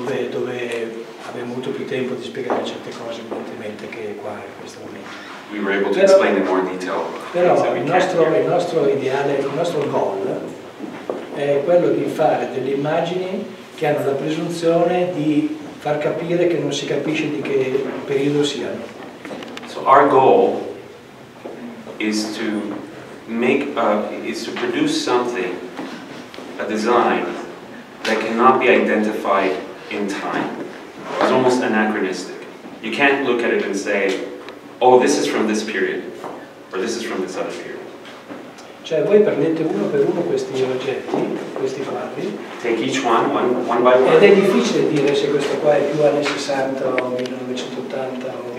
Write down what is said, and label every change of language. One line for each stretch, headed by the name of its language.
Italian: Dove abbiamo avuto più tempo di spiegare certe cose evidentemente che qua in questo momento.
English: We were able to explain in more detail.
Italian: Però il nostro ideale, il nostro goal è quello di fare delle immagini che hanno la presunzione di far capire che non si capisce di che periodo siano.
English: So our goal is to make is to produce something, a design that cannot be identified in time. It's almost anachronistic. You can't look at it and say, oh, this is from this period, or this is from this other period.
Italian: Cioè, voi prendete uno per uno questi oggetti, questi quadri.
English: Take each one by one.
Italian: Ed è difficile dire se questo qua è più anni 60 o 1980 o...